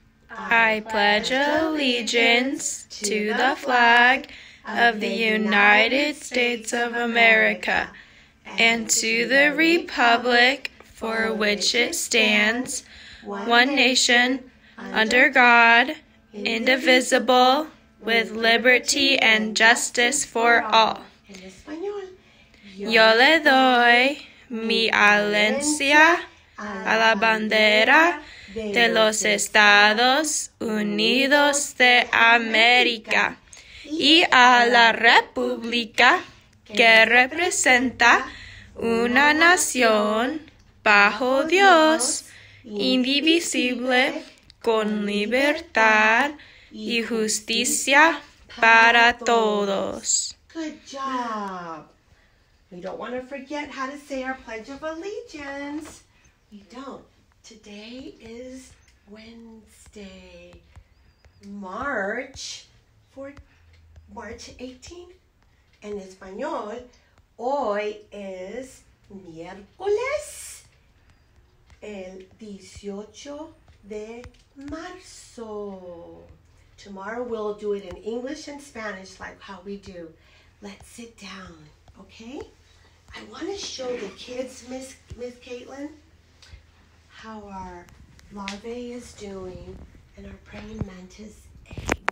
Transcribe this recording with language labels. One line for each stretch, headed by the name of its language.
English: I pledge allegiance to the flag of the United States of America, and to the Republic for which it stands, one nation, under God, indivisible, with liberty and justice for all.
Spanish: Yo le doy mi alianza a la bandera de los Estados Unidos de América. Y a la República que representa una nación bajo Dios, indivisible, con libertad y justicia para todos.
English: Good job. We don't want to forget how to say our Pledge of Allegiance. We don't. Today is Wednesday, March 18th.
Spanish: En español, hoy es miércoles, el 18 de marzo.
English: Tomorrow we'll do it in English and Spanish like how we do. Let's sit down, okay? I want to show the kids, Miss Caitlin, how our larvae is doing and our praying mantis egg.